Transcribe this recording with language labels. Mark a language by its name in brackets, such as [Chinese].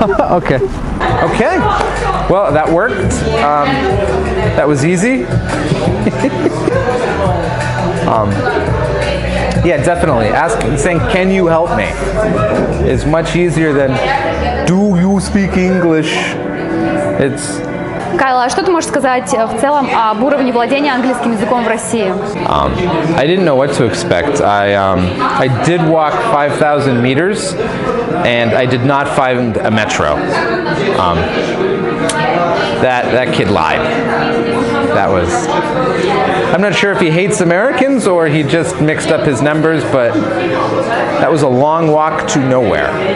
[English] Okay. Okay. Well, that worked. That was easy. Yeah, definitely. Saying, can you help me? It's much easier than, do you speak English? It's... [Russian] Кайл, а что ты можешь сказать в целом об уровне владения английским языком в России? [English] I didn't know what to expect. I did walk 5,000 meters, and I did not find a metro. That kid lied. That was... I'm not sure if he hates Americans or he just mixed up his numbers, but that was a long walk to nowhere.